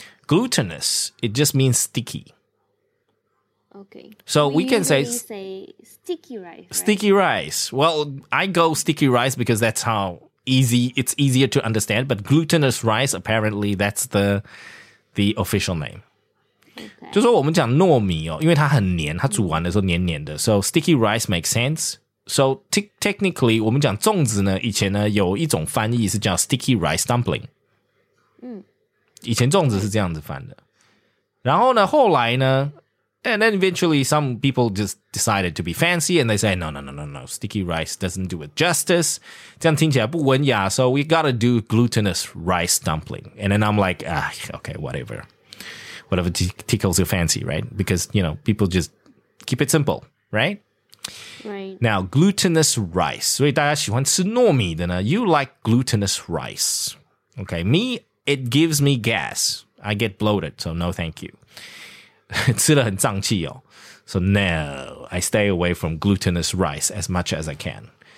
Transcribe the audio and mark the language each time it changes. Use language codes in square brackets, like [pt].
[en] Glutinous, it just means sticky. Okay. So we can say sticky rice. Right? Sticky rice. Well, I go sticky rice because that's how easy, it's easier to understand. But glutinous rice, apparently that's the official name. Okay. [zh] 就是说我们讲糯米哦, 因为它很黏, 它煮完的时候黏黏的, [en] so sticky rice makes sense. So technically, [zh] 我们讲粽子呢, 以前呢, 有一种翻译是叫 sticky rice dumpling. 以前粽子是这样子翻的。然后呢, 后来呢, [en] and then eventually some people just decided to be fancy and they say, no, sticky rice doesn't do it justice. [zh] 这样听起来不文雅, [en] so we gotta do glutinous rice dumpling. And then I'm like, okay, whatever. Whatever tickles your fancy, right? Because, people just keep it simple, right? Right. Now, glutinous rice. [zh] 所以大家喜欢吃糯米的呢, [en] you like glutinous rice. Okay, me, it gives me gas. I get bloated, so no thank you. [zh] 吃了很胀气哦, [en] so no, I stay away from glutinous rice as much as I can.